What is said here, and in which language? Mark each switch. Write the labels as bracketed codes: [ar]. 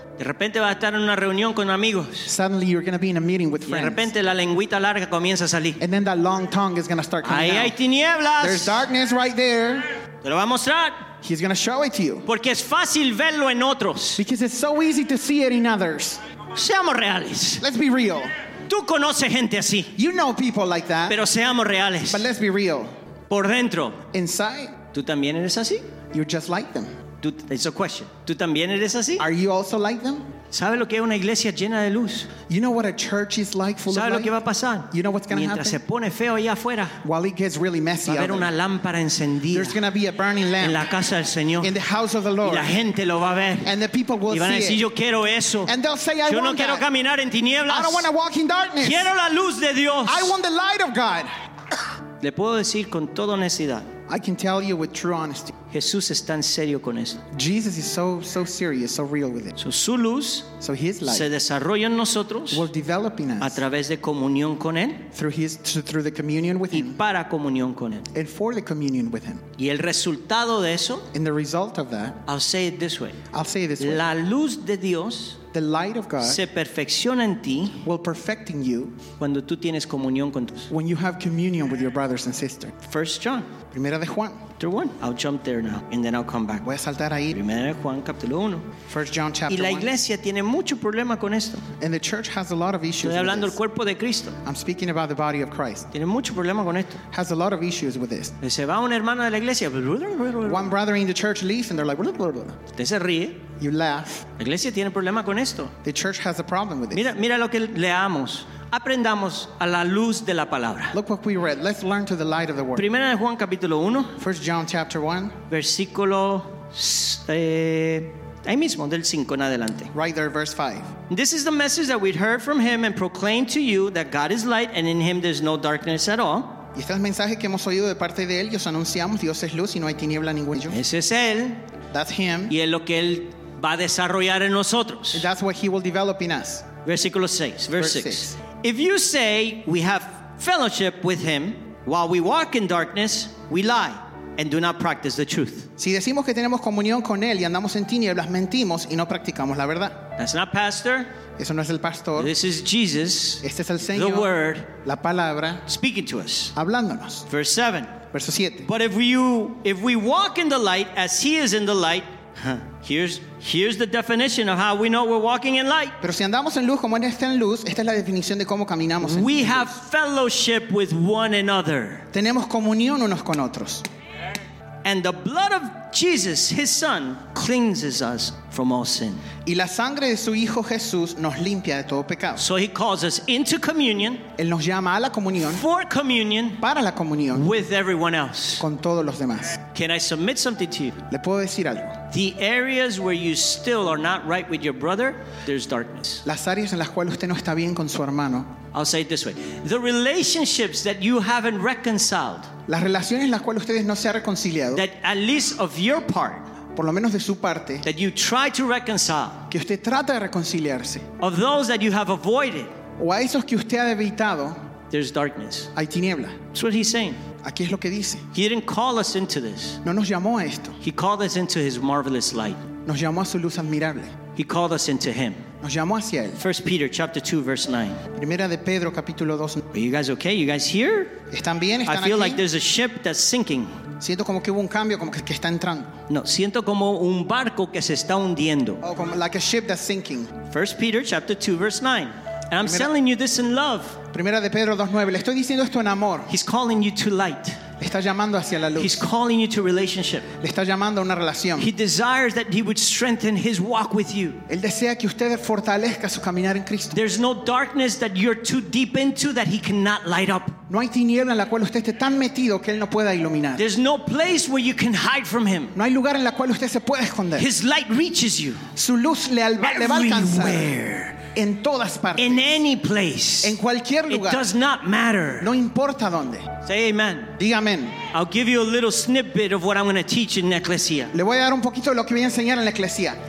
[es] De repente va a estar en una reunión con amigos. [en] Suddenly you're going to be in a meeting with friends. [es] Y de repente la lengüita larga comienza a salir. [en] And then that long tongue is going to start coming [es] ahí [en] out. [es] Hay tinieblas. [en] There's darkness right there. [es] Te lo va a mostrar. [en] He's going to show it to you. [es] Porque es fácil verlo en otros. [en] Because it's so easy to see it in others. [es] Seamos reales. [en] Let's be real. [es] Tú conoces gente así. [en] You know people like that. [es] Pero seamos reales. [en] But let's be real. [es] Por dentro. [en] Inside. [es] Tú también eres así. [en] You're just like them. It's a question. [es] ¿Tú también eres así? [en] Are you also like them? [es] ¿Sabe lo que es una iglesia llena de luz? [en] You know what a church is like, full of light? [es] ¿Sabe lo que va a pasar? [en] You know what's going to happen? [es] Mientras se pone feo allá afuera, [en] while it gets really messy, [es] va a haber una lámpara encendida. [en] There's going to be a burning lamp [es] en la casa del Señor. [en] In the house of the Lord. [es] Y la gente lo va a ver. [en] And the people will see it. [es] Y van a decir, yo quiero eso. [en] And they'll say, I [es] yo [en] want [es] no [en] that. [es] Quiero caminar en tinieblas. [en] I don't want to walk in darkness. [es] Quiero la luz de Dios. [en] I want the light of God. [es] Le puedo decir con toda honestidad. [en] I can tell you with true honesty. [es] Jesús es tan serio con eso. [en] Jesus is so serious, so real with it. [es] So su luz, [en] so his light, [es] se desarrolla en nosotros, [en] will develop in us, [es] a través de comunión con él, [en] through the communion with [es] y [en] him, [es] y para comunión con él, [en] and for the communion with him. [es] Y el resultado de eso, [en] and the result of that, I'll say it this way. [es] La luz de Dios, [en] the light of God, [es] se perfecciona en ti, [en] will perfect in you, [es] cuando tú tienes comunión con tus, [en] when you have communion with your brothers and sisters. 1 John. [es] Primera de Juan. [en] I'll jump there now and then I'll come back. [es] Voy a saltar ahí. Primera de Juan, capítulo 1. [en] 1 John chapter 1. [es] Y la iglesia tiene mucho problema con esto. [en] And the church has a lot of issues. [es] Estoy hablando del cuerpo de Cristo. [en] I'm speaking about the body of Christ. [es] Tiene mucho problema con esto. [en] Has a lot of issues with this. [es] Se va una hermana de la iglesia. [en] One brother in the church leaves and they're like, blah, blah, blah. [es] Usted se ríe. [en] You laugh. [es] La iglesia tiene problema con esto. [en] The church has a problem with this. [es] Mira lo que leamos. Aprendamos a la luz de la palabra. [en] Look what we read. Let's learn to the light of the word. [es] Primera de Juan capítulo 1. [en] 1 John chapter 1. [es] Versículo ahí mismo del 5 en adelante. [en] Right there, verse 5. This is the message that we'd heard from him and proclaimed to you, that God is light and in him there's no darkness at all. [es] Y este es el mensaje que hemos oído de parte de él. Y os anunciamos, Dios es luz y no hay tiniebla ninguna. Ese es él. [en] That's him. [es] Y es lo que él va a desarrollar en nosotros. [en] And that's what he will develop in us. [es] Versículo 6. [en] Verse 6. If you say we have fellowship with him while we walk in darkness, we lie and do not practice the truth. [es] Si decimos que tenemos comunión con él y andamos en tinieblas, mentimos y no practicamos la verdad. [en] That's not pastor. [es] Eso no es el pastor. [en] This is Jesus. [es] Este es el Señor. [en] The word. [es] La palabra. [en] Speaking to us. [es] Hablándonos. [en] Verse 7. [es] Verso 7. [en] But if we walk in the light as he is in the light, Here's the definition of how we know we're walking in light. [es] Pero si andamos en luz como él está en luz, esta es la definición de cómo caminamos en luz. [en] We have fellowship with one another. [es] Tenemos comunión unos con otros. [en] And the blood of Jesus, his son, cleanses us from all sin. [es] Y la sangre de su hijo Jesús nos limpia de todo pecado. [en] So he calls us into communion. [es] Él nos llama a la comunión. [en] For communion. [es] Para la comunión. [en] With everyone else. [es] Con todos los demás. [en] Can I submit something to you? [es] Le puedo decir algo. [en] The areas where you still are not right with your brother, there's darkness. [es] Las áreas en las cuales usted no está bien con su hermano. [en] I'll say it this way. The relationships that you haven't reconciled. [es] Las relaciones en las cuales ustedes no se han reconciliado. [en] That at least of your part. [es] Por lo menos de su parte. [en] That you try to reconcile. [es] Que usted trata de reconciliarse. [en] Of those that you have avoided. [es] O a esos que usted ha evitado. [en] There's darkness. [es] Hay tiniebla. [en] That's what he's saying. [es] Aquí es lo que dice. [en] He didn't call us into this. [es] No nos llamó a esto. [en] He called us into his marvelous light. [es] Nos llamó a su luz admirable. [en] He called us into him. [es] Nos llamó hacia él. [en] 1 Peter chapter 2 verse 9. [es] Primera de Pedro capítulo 2. [en] Are you guys okay? You guys here? [es] ¿Están bien? ¿Están [en] I feel [es] aquí? [en] Like there's a ship that's sinking. [es] Siento como que hubo un cambio, como que está entrando. No, siento como un barco que se está hundiendo. [en] Oh, [es] como [en] like a ship that's sinking. 1 Peter chapter 2 verse 9. And I'm telling you this in love. [es] Primera de Pedro 2:9. Le estoy diciendo esto en amor. [en] He's calling you to light. [es] Le está llamando hacia la luz. [en] He's calling you to relationship. [es] Le está llamando a una relación. [en] He desires that he would strengthen his walk with you. [es] Él desea que usted fortalezca su caminar en Cristo. [en] There's no darkness that you're too deep into that he cannot light up. [es] No hay tiniebla en la cual usted esté tan metido que él no pueda iluminar. [en] There's no place where you can hide from him. [es] No hay lugar en la cual usted se pueda esconder. [en] His light reaches you. [es] Su luz le va a alcanzar. [en] Everywhere. [es] En todas partes. [en] In any place. [es] En cualquier lugar. [en] It does not matter. [es] No importa dónde. [en] Say amen. [es] Diga amén. [en] I'll give you a little snippet of what I'm going to teach in Ecclesia. [es] Le voy a dar un poquito de lo que voy a enseñar en la Ecclesia.